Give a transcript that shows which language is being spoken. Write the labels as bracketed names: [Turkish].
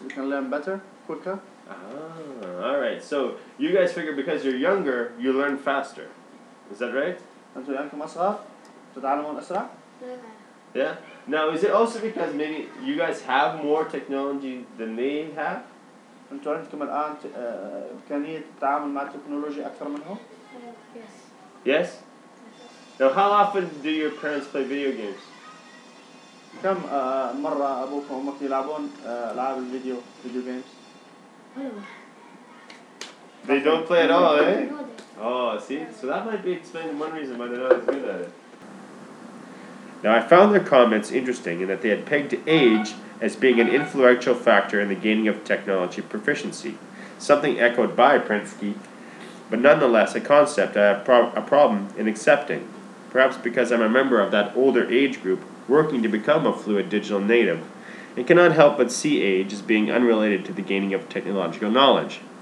[English] We can learn better, quicker. Ah, all right. So you guys figure because you're younger, you learn faster. Is that right? [Arabic] انتوا عندكم اصغر تتعلمون اسرع. [English] Yeah. Now, is it also because maybe you guys have more technology than they have? [Arabic] انتوا عندكم الان امكانيه التعامل مع التكنولوجيا اكثر منهم. [English] Yes. Now, how often do your parents play video games? [Arabic] كم مرة أبوك وأمك يلعبون ألعاب الفيديو فيديو جيمز؟ [English] They don't play at all, eh? Oh, see? So that might be explaining one reason why they're not as good at it. Now, I found their comments interesting in that they had pegged age as being an influential factor in the gaining of technology proficiency, something echoed by Prinsky, but nonetheless a concept I have a problem in accepting, perhaps because I'm a member of that older age group working to become a fluid digital native, and cannot help but see age as being unrelated to the gaining of technological knowledge.